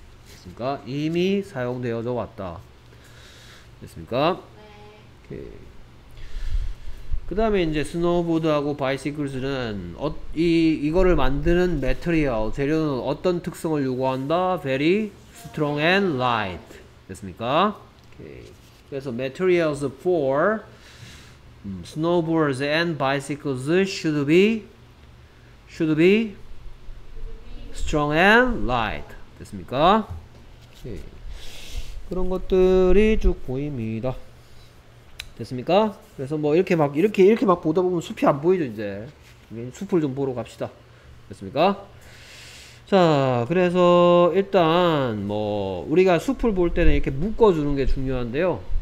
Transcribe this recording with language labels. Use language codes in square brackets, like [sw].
[ko] 됐습니까? 이미 사용되어져 왔다. 됐습니까? 네. 그 다음에 이제 스노우보드하고 바이시클스는 이거를 만드는 material, 재료는 어떤 특성을 요구한다? [en] Very strong and light. [ko] 됐습니까? 오케이. [en] 그래서 materials for snowboards and bicycles should be strong and light. [ko] 됐습니까? 오케이. 그런 것들이 쭉 보입니다. 됐습니까? 그래서 뭐 이렇게 막 보다 보면 숲이 안 보이죠 이제. 숲을 좀 보러 갑시다. 됐습니까? 자, 그래서 일단 뭐 우리가 숲을 볼 때는 이렇게 묶어 주는 게 중요한데요.